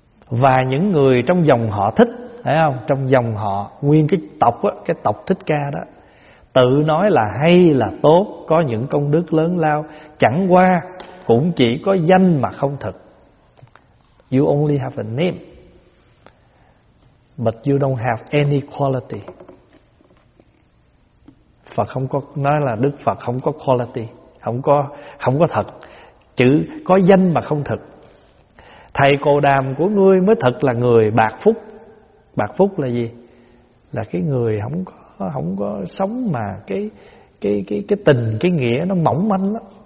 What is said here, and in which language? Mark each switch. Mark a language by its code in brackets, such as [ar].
[vi] Và những người trong dòng họ Thích, thấy không? Trong dòng họ nguyên cái tộc á, cái tộc Thích Ca đó, tự nói là hay là tốt, có những công đức lớn lao, chẳng qua cũng chỉ có danh mà không thực. [en] You only have a name, but you don't have any quality. [vi] Phật không có nói là Đức Phật không có quality, không có thật. Chữ có danh mà không thực. Thầy Cồ Đàm của ngươi mới thật là người bạc phúc. Bạc phúc là gì? Là cái người không có sống mà cái tình cái nghĩa nó mỏng manh lắm.